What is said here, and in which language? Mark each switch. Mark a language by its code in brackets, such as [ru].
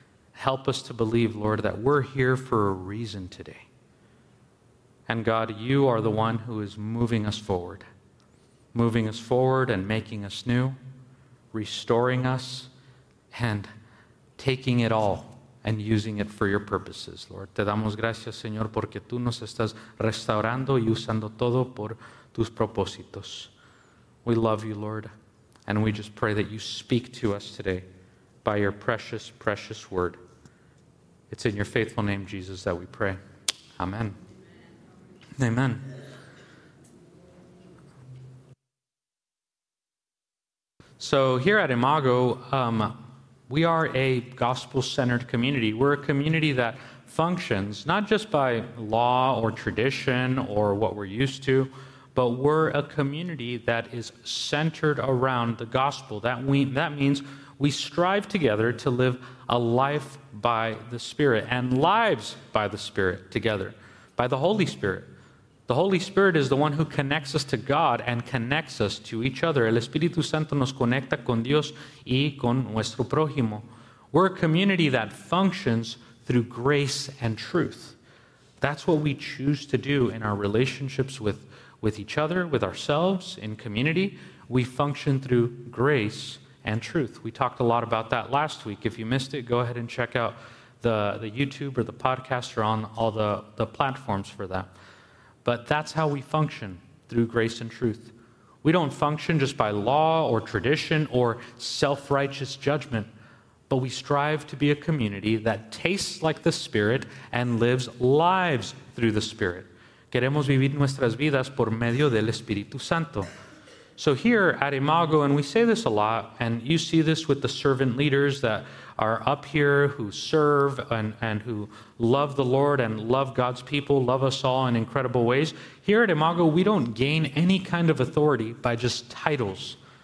[en] Help us to believe, Lord, that we're here for a reason today. And God, you are the one who is moving us forward. Moving us forward and making us new, restoring us, and taking it all and using it for your purposes, Lord. [es] Te damos gracias, Señor, porque tú nos estás restaurando y usando todo por tus propósitos. [en] We love you, Lord, and we just pray that you speak to us today by your precious, precious word. It's in your faithful name, Jesus, that we pray. Amen. Amen. So here at Imago, we are a gospel-centered community. We're a community that functions not just by law or tradition or what we're used to, but we're a community that is centered around the gospel. That means we strive together to live a life by the Spirit and lives by the Spirit together, by the Holy Spirit. The Holy Spirit is the one who connects us to God and connects us to each other. [es] El Espíritu Santo nos conecta con Dios y con nuestro prójimo. [en] We're a community that functions through grace and truth. That's what we choose to do in our relationships with each other, with ourselves, in community. We function through grace and truth. We talked a lot about that last week. If you missed it, go ahead and check out the YouTube or the podcast or on all the platforms for that. But that's how we function, through grace and truth. We don't function just by law or tradition or self-righteous judgment, but we strive to be a community that tastes like the Spirit and lives lives through the Spirit. [es] Queremos vivir nuestras vidas por medio del Espíritu Santo. [en] So here at Imago, and we say this a lot, and you see this with the servant leaders that are up here who serve and who love the Lord and love God's people, love us all in incredible ways. Here at Imago, we don't gain any kind of authority by just titles.